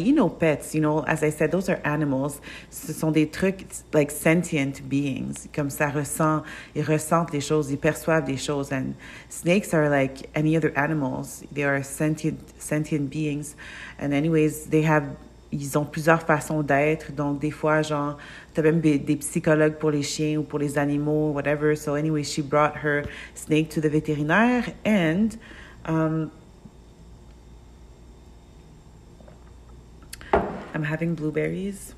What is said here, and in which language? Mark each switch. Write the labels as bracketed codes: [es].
[en] You know, pets, you know, as I said, those are animals. [fr] Ce sont des trucs [en] like sentient beings. [fr] Comme ça ressent, ils ressentent les choses, ils perçoivent des choses. [en] And snakes are like any other animals. They are sentient beings. And anyways, [fr] ils ont plusieurs façons d'être. Donc des fois, genre, t'as même des psychologues pour les chiens ou pour les animaux, whatever. [en] So anyway, she brought her snake to the vétérinaire, and I'm having blueberries.